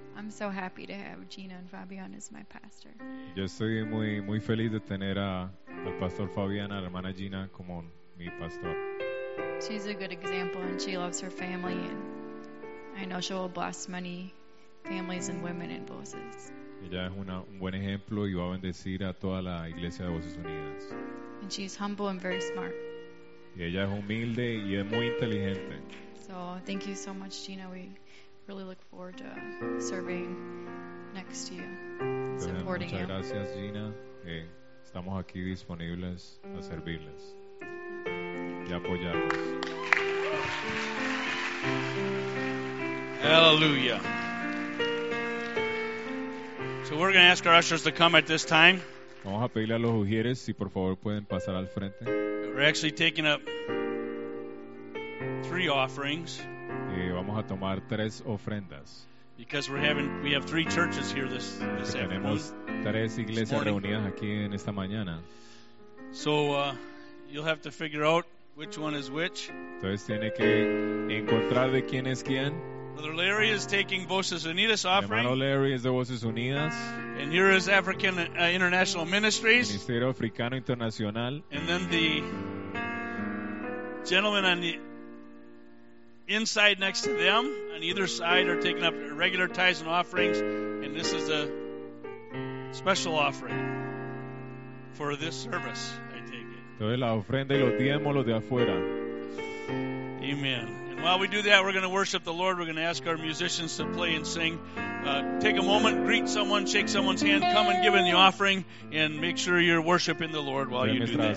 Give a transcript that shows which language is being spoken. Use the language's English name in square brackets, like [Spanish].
[English] So happy to have Gina and Fabian as my pastor. [Spanish] Yo estoy muy muy feliz de tener al pastor Fabian, a la hermana Gina como mi pastor. [English] She's a good example, and she loves her family, and I know she will bless many families and women in Voces. [Spanish] Ella es un buen ejemplo y va a bendecir a toda la iglesia de Voces Unidas. [English] And she's humble and very smart. [Spanish] Y ella es humilde y es muy inteligente. [English] So thank you so much, Gina. We really look forward to serving next to you, supporting [Spanish] muchas [English] you. [Spanish] Muchas gracias, Gina. Estamos aquí disponibles a servirles y apoyarlos. [English] Hallelujah. So we're going to ask our ushers to come at this time. [Spanish] Vamos a pedirle a los ujieres si por favor pueden pasar al frente. [English] We're actually taking up 3 offerings. [Spanish] Vamos a tomar 3 ofrendas. [English] Because we have 3 churches here this afternoon. [Spanish] Tenemos 3 iglesias reunidas aquí en esta mañana. [English] So you'll have to figure out which one is which. [Spanish] Entonces tiene que encontrar de quién es quién. [English] Brother Larry is taking Voces Unidas offering. [Spanish] Hermano Larry es de Voces Unidas. [English] And here is African International Ministries. [Spanish] Ministerio Africano Internacional. [English] And then the gentleman on the inside next to them on either side are taking up regular tithes and offerings, and this is a special offering for this service, I take it. [Spanish] Entonces, la ofrenda y los diezmos, los de afuera. [English] Amen. And while we do that, we're going to worship the Lord. We're going to ask our musicians to play and sing. Take a moment, greet someone, shake someone's hand, come and give in the offering, and make sure you're worshiping the Lord while you do that.